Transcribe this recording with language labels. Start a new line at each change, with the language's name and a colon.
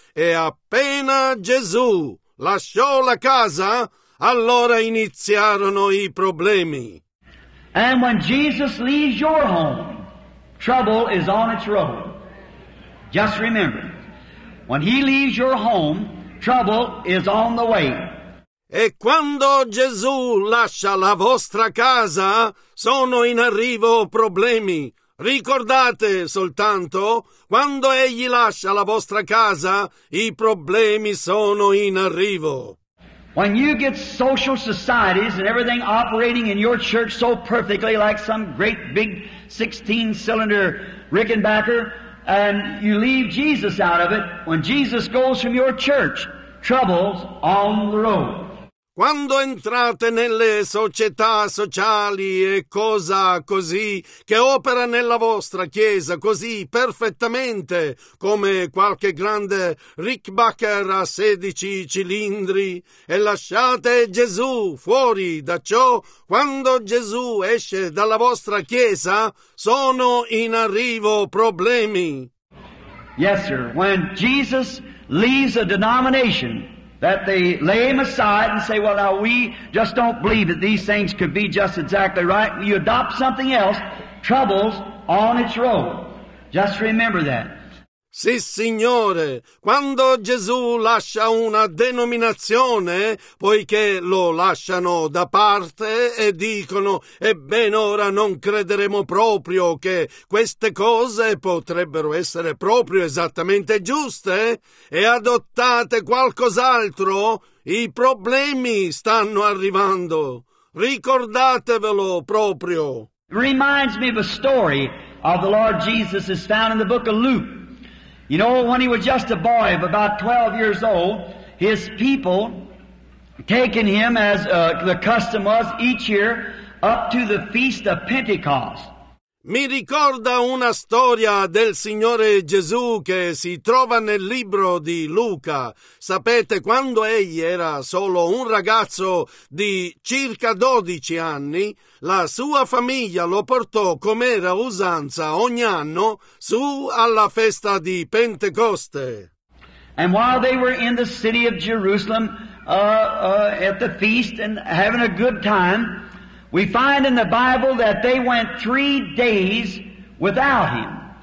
Italian: E appena Gesù lasciò la casa, allora iniziarono i problemi.
English: And when Jesus leaves your home, trouble is on its road. Just remember, when he leaves your home, trouble is on the way.
Italian: E quando Gesù lascia la vostra casa, sono in arrivo problemi. Ricordate soltanto, quando egli lascia la vostra casa, i problemi sono in arrivo.
English: When you get social societies and everything operating in your church so perfectly, like some great big 16-cylinder Rickenbacker, and you leave Jesus out of it, when Jesus goes from your church, trouble's on the road.
Italian: Quando entrate nelle società sociali e cosa così che opera nella vostra chiesa così perfettamente come qualche grande Rickenbacker a 16 cilindri e lasciate Gesù fuori da ciò, quando Gesù esce dalla vostra chiesa sono in arrivo problemi.
English: Yes, sir. When Jesus leaves a denomination that they lay him aside and say, well, now we just don't believe that these things could be just exactly right. You adopt something else, trouble's on its road. Just remember that.
Italian: Sì, Signore, quando Gesù lascia una denominazione, poiché lo lasciano da parte e dicono, ebbene ora non crederemo proprio che queste cose potrebbero essere proprio esattamente giuste, e adottate qualcos'altro, i problemi stanno arrivando. Ricordatevelo proprio.
English: Reminds me of a story of the Lord Jesus is found in the book of Luke. You know, when he was just a boy of about 12 years old, his people taken him, as the custom was each year, up to the feast of Pentecost.
Italian: Mi ricorda una storia del Signore Gesù che si trova nel libro di Luca. Sapete, quando egli era solo un ragazzo di circa 12 anni, la sua famiglia lo portò, come era usanza ogni anno, su alla festa di Pentecoste.
English: And while they were in the city of Jerusalem at the feast and having a good time, we find in the Bible that they went 3 days without him.